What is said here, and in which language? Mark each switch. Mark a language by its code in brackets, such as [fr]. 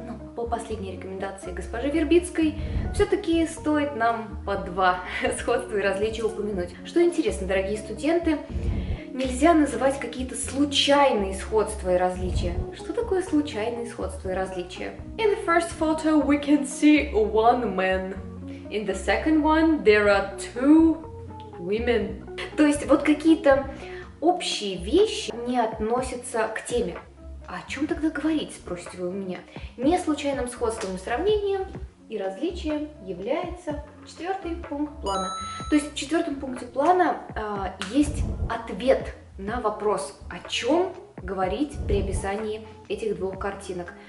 [ru] Но по последней рекомендации госпожи Вербицкой, все-таки стоит нам по два сходства и различия упомянуть. Что интересно, дорогие студенты, нельзя называть какие-то случайные сходства и различия. Что такое случайные сходства и различия? [en] In the first photo we can see one man. In the second one there are two women. [ru] То есть вот какие-то общие вещи не относятся к теме. А о чем тогда говорить, спросите вы у меня? Не случайным сходством и сравнением и различием является четвертый пункт плана. То есть в четвертом пункте плана есть ответ на вопрос, о чем говорить при описании этих двух картинок.